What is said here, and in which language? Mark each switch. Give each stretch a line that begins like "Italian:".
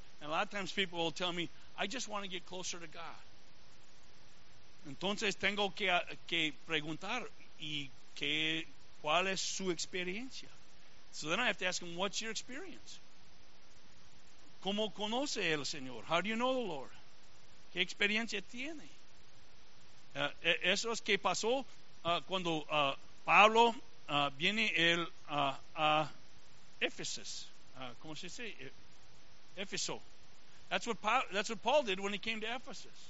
English: And a lot of times people will tell me, I just want to get closer to God.
Spanish: Entonces tengo que preguntar, ¿y cuál es su experiencia?
English: So then I have to ask him, what's your experience?
Spanish: ¿Cómo conoce el Señor?
English: How do you know the Lord?
Spanish: ¿Qué experiencia tiene? Eso es que pasó cuando Pablo viene él a Ephesus. ¿Cómo se dice? Éfeso.
English: That's what Paul did when he came to Ephesus.